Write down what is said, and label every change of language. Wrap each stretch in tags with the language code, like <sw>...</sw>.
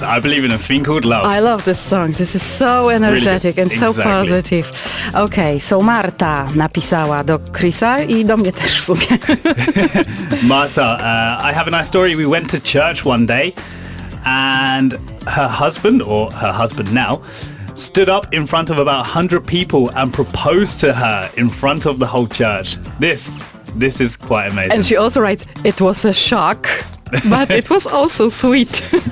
<en>I believe in a thing called love. I love this song. This is so energetic and so positive.</en> <pl>Okay, so Marta napisała do Chrisa i do mnie też w sumie.</pl> <en>Marta, I have a nice story. We went to church one day and her husband now, stood up in front of about 100 people and proposed to her in front of the whole church. This is quite amazing. And she also writes, it was a shock, but it was also sweet.</en>